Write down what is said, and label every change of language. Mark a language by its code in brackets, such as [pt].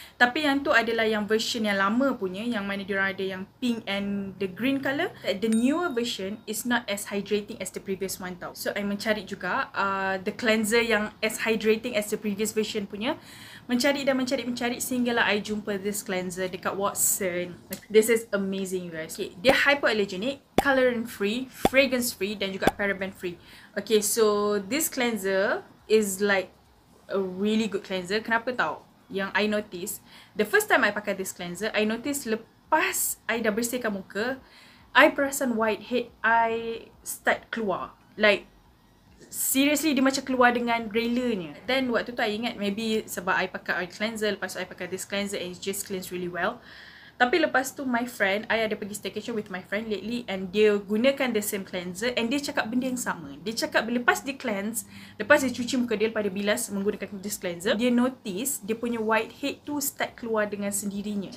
[ms] Tapi yang tu adalah yang version yang lama punya, yang mana diorang ada yang pink [en] and the green colour. The newer version is not as hydrating as the previous one tau. So I [ms] mencari juga [en] the cleanser yang as hydrating as the previous version punya. [ms] Mencari dan mencari sehinggalah I jumpa this cleanser dekat Watson. [en] This is amazing you guys. Okay, dia hypoallergenic, colorant free, fragrance free [ms] dan juga [en] paraben free. Okay, so this cleanser is like a really good cleanser. [ms] Kenapa tau? Yang [en] I notice, the first time I pakai this cleanser, I notice [ms] lepas I dah bersihkan muka, [en] I [ms] perasan [en] whitehead I start keluar. Like, seriously, [ms] dia macam keluar dengan railernya. [en] Then [ms] waktu tu I ingat [en] maybe [ms] sebab I pakai [en] oil cleanser, [ms] lepas tu I pakai [en] this cleanser and it just cleans really well. [ms] Tapi lepas tu [en] my friend, I [ms] ada pergi [en] staycation with my friend lately and [ms] dia gunakan [en] the same cleanser and [ms] dia cakap benda yang sama. Dia cakap lepas dia cleanse, lepas dia cuci muka dia, lepas dia bilas menggunakan this cleanser, dia notice dia punya whitehead tu start keluar dengan sendirinya.